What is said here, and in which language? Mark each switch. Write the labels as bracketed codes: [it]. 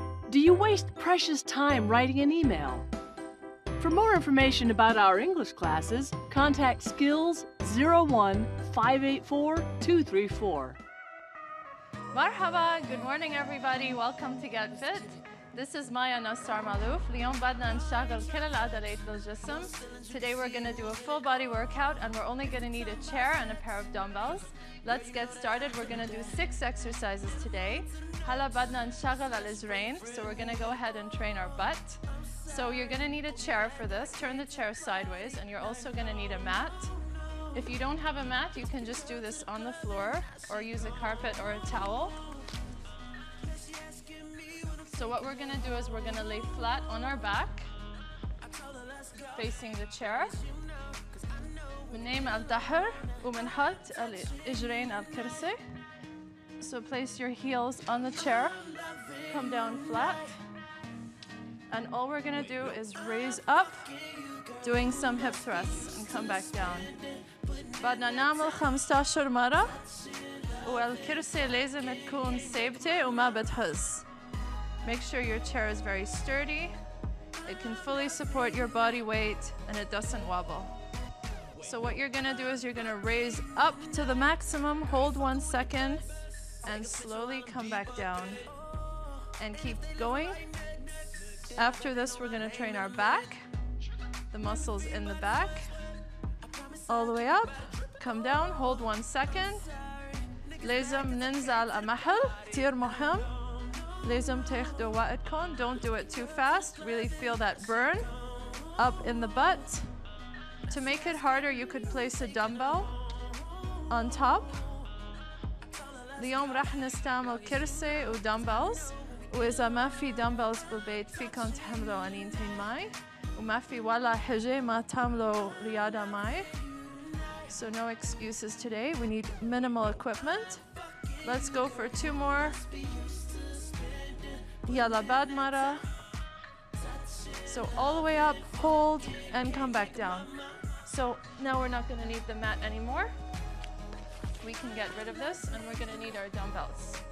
[en] Do you waste precious time writing an email? For more information about our English classes, contact skills 01-584-234. [ar] Marhaba! [en] Good morning, everybody. Welcome to Get Fit. This is Maya Nassar Malouf. [ar] اليوم بدنا نشغل كل العضلات بالجسم. [en] Today we're going to do a full body workout and we're only going to need a chair and a pair of dumbbells. Let's get started. We're going to do 6 exercises today. [ar] هلا بدنا نشغل الإزرين. [en] So we're going to go ahead and train our butt. So you're going to need a chair for this. Turn the chair sideways and you're also going to need a mat. If you don't have a mat, you can just do this on the floor or use a carpet or a towel. So what we're gonna do is we're gonna lay flat on our back, facing the chair. [ar] بنيم الظهر ومنحط الإجرين على الكرسي. [en] So place your heels on the chair, come down flat. And all we're gonna do is raise up, doing some hip thrusts and come back down. [ar] بدنا نعمل 15 مرة والكرسي لازم تكون ثابتة وما بتهز. [en] Make sure your chair is very sturdy. It can fully support your body weight and it doesn't wobble. So what you're gonna do is you're gonna raise up to the maximum, hold 1 second, and slowly come back down and keep going. After this, we're gonna train our back, the muscles in the back, all the way up, come down, hold 1 second. [ar] لازم ننزل المحل, كتير مهم. لازم تاخدوا وقتكم, [en] don't do it too fast. Really feel that burn up in the butt. To make it harder, you could place a dumbbell on top. [ar] اليوم راح نستعمل كرسي ودمبلز. وإذا ما في دمبلز بالبيت, فيكم تحملوا أنينتين معي. وما في ولا حجة ما تعملوا رياضة معي. [en] So no excuses today. We need minimal equipment. Let's go for 2 more. [ar] Yalla bad mara. [en] So all the way up, hold, and come back down. So now we're not gonna need the mat anymore. We can get rid of this, and we're gonna need our dumbbells.